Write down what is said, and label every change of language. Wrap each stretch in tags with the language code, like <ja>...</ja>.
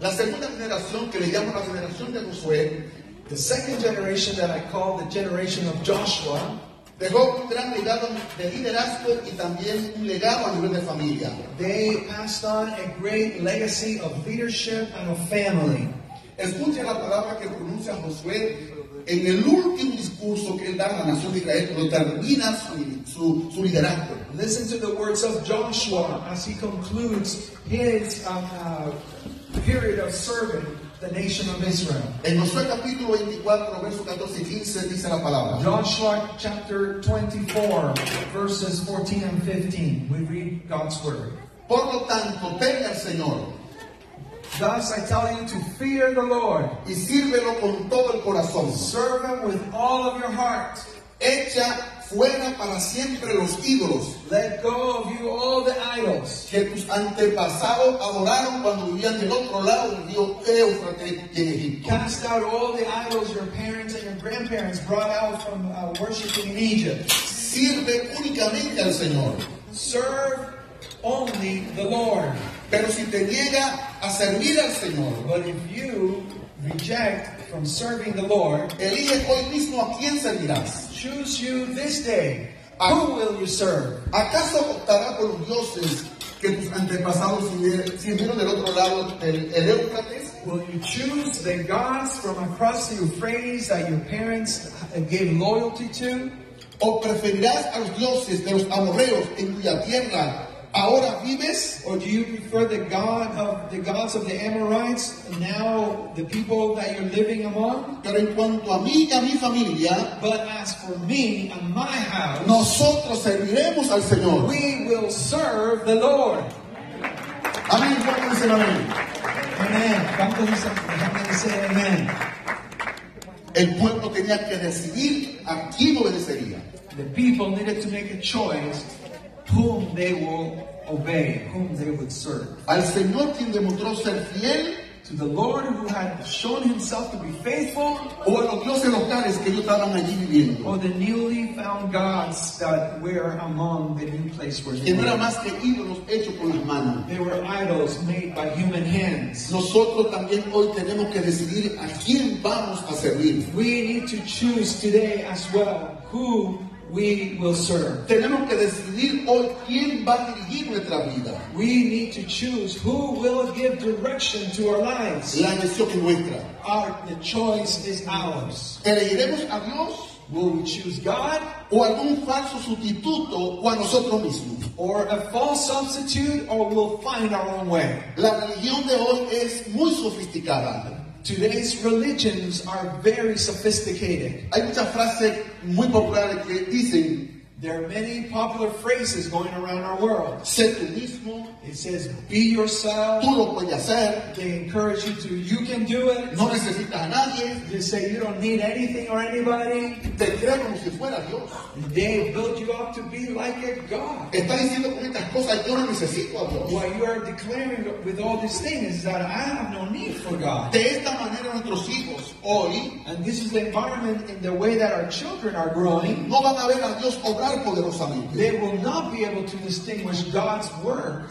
<es>La segunda generación, que le llamo la generación de Josué,</es> <en>the second generation that I call the generation of Joshua,</en> <es>dejó un gran legado de liderazgo y también un legado a nivel de familia.</es> <en>They passed on a great legacy of leadership and of family.</en> <es>Escuche la palabra que pronuncia Josué en el último discurso que él da a la nación de Israel cuando termina su liderazgo.</es> <en>Listen to the words of Joshua as he concludes his period of serving the nation of Israel.</en> <es>En Josué capítulo 24, verso 14 y 15 dice la palabra.</es> <en>Joshua chapter 24, verses 14 and 15. We read God's word.</en> <es>Por lo tanto, teme al Señor.</es> <en>Thus I tell you to fear the Lord.</en> <es>Y sírvelo con todo el corazón.</es> <en>Serve him with all of your heart.</en> <es>Echa fuera para siempre los ídolos.</es> <en>Let go of you all the idols.</en> <es>Que tus antepasados adoraron cuando vivían del otro lado del río Éufrates en Egipto.</es> <en>Cast out all the idols your parents and your grandparents brought out from worshiping in Egypt.</en> <es>Sirve únicamente al Señor.</es> <en>Serve only the Lord.</en> <es>Pero si te niega a servir al Señor,</es> <en>but if you reject from serving the Lord,</en> <es>elige hoy mismo a quién servirás.</es> <en>Choose you this day. Who will you serve?</en> <es>¿Acaso optará por los dioses que tus antepasados sirvieron del otro lado del Éufrates?</es> <en>Will you choose the gods from across the Euphrates that your parents gave loyalty to?</en> <es>¿O preferirás a los dioses de los amorreos en cuya tierra ahora vives?</es> <en>Or do you prefer the god of the gods of the Amorites, now the people that you're living among?</en> <es>Pero en cuanto a mí y a mi familia,</es> <en>but as for me and my house,</en> <es>nosotros serviremos al Señor.</es> <en>We will serve the Lord.</en> <es>Amén. ¿Cuántos dicen amén? Amén. ¿Cuántos dicen amén? El pueblo tenía que decidir a quién obedecería.</es> <en>The people needed to make a choice whom they will obey, whom they would serve.</en> <es>Al Señor quien demostró ser fiel,</es> <en>to the Lord who had shown himself to be faithful,</en> <es>o a los dioses locales que ellos estaban allí viviendo,</es> <en>or the newly found gods that were among the new place where they were.</en> <es>Más que ídolos hechos con las manos.</es> <en>They were idols made by human hands.</en> <es>Nosotros también hoy tenemos que decidir a quién vamos a servir.</es> <en>We need to choose today as well who we will serve.</en> <es>Tenemos que decidir hoy quién va a dirigir nuestra vida.</es> <en>We need to choose who will give direction to our lives.</en> <es>La decisión es nuestra.</es> <en>The choice is ours.</en> <es>¿Elegiremos a Dios?</es> <en>Will we choose God?</en> <es>¿O algún falso sustituto o a nosotros mismos?</es> <en>Or a false substitute, or we'll find our own way.</en> <es>La religión de hoy es muy sofisticada.</es> <en>Today's religions are very sophisticated.</en> <es>Hay muchas frases muy populares que dicen.</es> <en>There are many popular phrases going around our world.</en> <es>Sé tú mismo.</es> <en>It says, be yourself.</en> <es>Tú lo puedes hacer.</es> <en>They encourage you to, you can do it.</en> <es>No necesitas a nadie.</es> <en>They say, you don't need anything or anybody.</en> <es>Te crean como si fuera Dios.</es> <en>They built you up to be like a God.</en> <es>Está diciendo con estas cosas, yo no necesito a Dios.</es> <en>What you are declaring with all these things is that I have no need for God.</en> <es>De esta manera nuestros hijos hoy,</es> <en>and this is the environment in the way that our children are growing,</en> <es>no van a ver a Dios obrar poderosamente.</es> <en>They will not be able to distinguish God's work,</en>